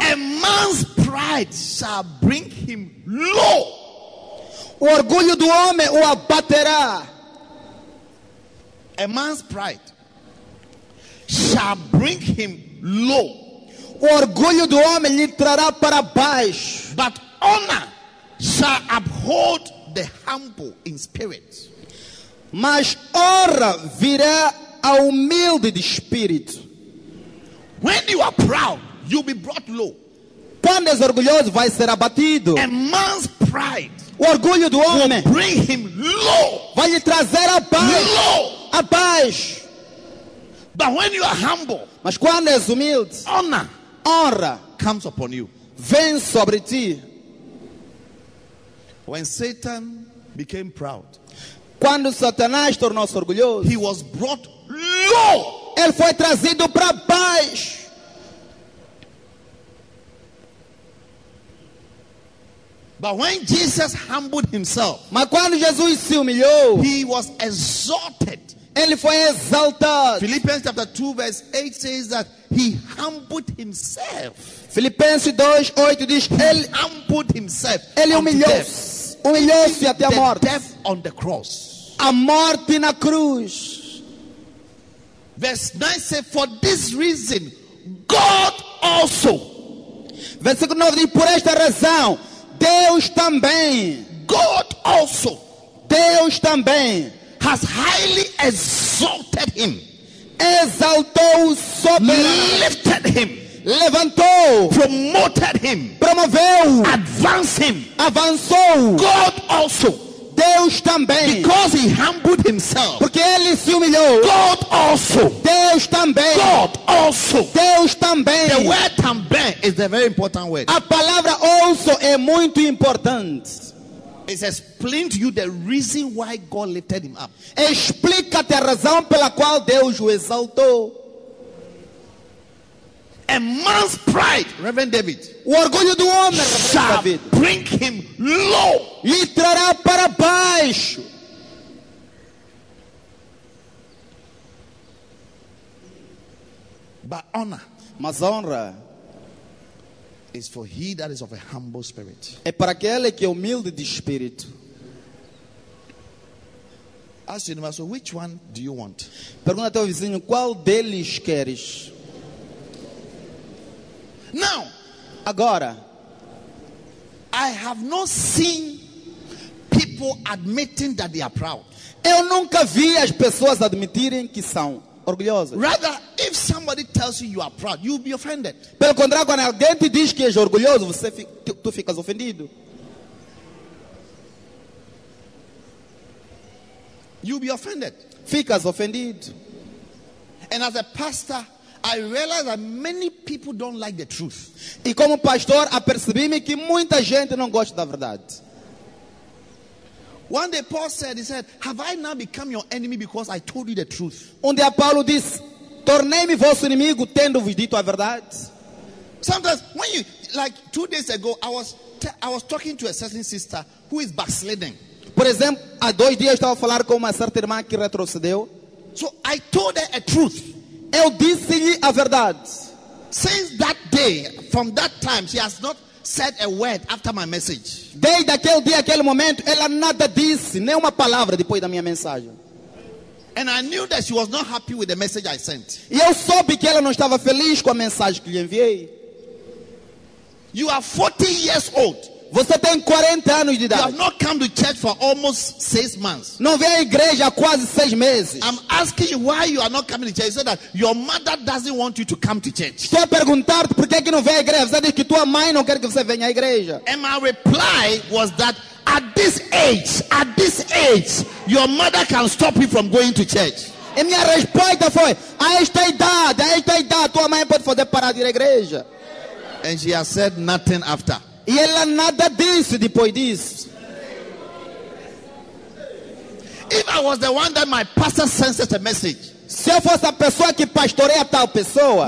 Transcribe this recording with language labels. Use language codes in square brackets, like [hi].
[en] A man's pride shall bring him low. [pt] O orgulho do homem o abaterá. [en] A man's pride shall bring him low. [pt] O orgulho do homem lhe trará para baixo. [en] But honor shall uphold the humble in spirit. [pt] Mas honra virá ao humilde de espírito. [en] When you are proud, you'll be brought low. [pt] Quando és orgulhoso, vai ser abatido. [en] A man's pride, [pt] o orgulho do homem, [en] will bring him low. [pt] Vai lhe trazer abaixo. [en] Low. [pt] Abaixo. [en] But when you are humble, [pt] mas quando és humilde, honra [en] comes upon you. [pt] Vem sobre ti. [en] When Satan became proud, [pt] quando Satanás tornou-se orgulhoso, [en] he was brought low. [pt] Ele foi trazido para baixo. [en] But when Jesus humbled himself, [pt] mas quando Jesus se humilhou, [en] he was exalted. [pt] Ele foi exaltado. [en] Philippians chapter 2 verse 8 says that he humbled himself. [pt] Filipenses 2, 8 diz que ele [en] humbled himself. [pt] Ele humilhou-se até a morte. [en] The death on the cross. [pt] A morte na cruz. [en] Verse 9 says, for this reason, God also. [pt] Versículo 9 diz, por esta razão, Deus também. [en] God also. [pt] Deus também. [en] Has highly exalted him. [pt] Exaltou soberano. [en] Lifted him. [pt] Levantou. [en] Promoted him. [pt] Promoveu. [en] Advanced him. [pt] Avançou. [en] God also. [pt] Deus também. [en] Because he humbled himself. [pt] Porque ele se humilhou. [en] God also. [pt] Deus também. [en] God also. [pt] Deus também. [en] The word [pt] também [en] is a very important word. [pt] A palavra [en] also [pt] é muito importante. [en] It explains to you the reason why God lifted him up. [pt] Explica-te a razão pela qual Deus o exaltou. [en] A man's pride, Reverend David, [pt] o orgulho do homem, [en] shall David, bring him low. [pt] Lhe trará para baixo. [en] But honor, [pt] mas honra, [en] is for he that is of a humble spirit. [pt] É para aquele que é humilde de espírito. [en] Ask your neighbor, so which one do you want? [pt] Pergunta ao teu vizinho, qual deles queres? [en] Now, [pt] agora, [en] I have not seen people admitting that they are proud. [pt] Eu nunca vi as pessoas admitirem que são orgulhosas. [en] Rather, if somebody tells you you are proud, you'll be offended. [pt] Pelo contrário, quando alguém te diz que és orgulhoso, tu ficas ofendido. [en] You'll be offended. [pt] Ficas ofendido. [en] And as a pastor, I realize that many people don't like the truth. [pt] E como pastor, apercebi-me que muita gente não gosta da verdade. [en] One day Paul said, he said, have I now become your enemy because I told you the truth? [pt] Um dia Paulo disse, tornei-me vosso inimigo tendo-vos dito a verdade. [en] Sometimes when you, like 2 days ago, I was talking to a certain sister who is backsliding. [pt] Por exemplo, há 2 dias eu estava a falar com uma certa irmã que retrocedeu. [en] So I told her a truth. [pt] Eu disse-lhe a verdade. [en] Since that day, from that time, she has not said a word after my message. [pt] Desde aquele dia, aquele momento, ela nada disse, nem uma palavra depois da minha mensagem. [en] And I knew that she was not happy with the message I sent. [pt] E eu soube que ela não estava feliz com a mensagem que lhe enviei. [en] You are 40 years old. [pt] Você tem 40 anos de idade. [en] You have not come to church for almost 6 months. [pt] Não vem à igreja há quase 6 meses. [en] I'm asking you why you are not coming to church. You said that your mother doesn't want you to come to church. [pt] Estou a perguntar por que não vem à igreja. Você diz que tua mãe não quer que você venha à igreja. [en] And my reply was that at this age, your mother can stop you from going to church. [pt] E minha resposta foi: a esta idade, tua mãe pode fazer parar de ir à igreja. And she has said nothing after. E ela nada disse depois disso. [en] If I was the one that my pastor senses a message, [pt] se eu fosse a pessoa que pastoreia tal pessoa,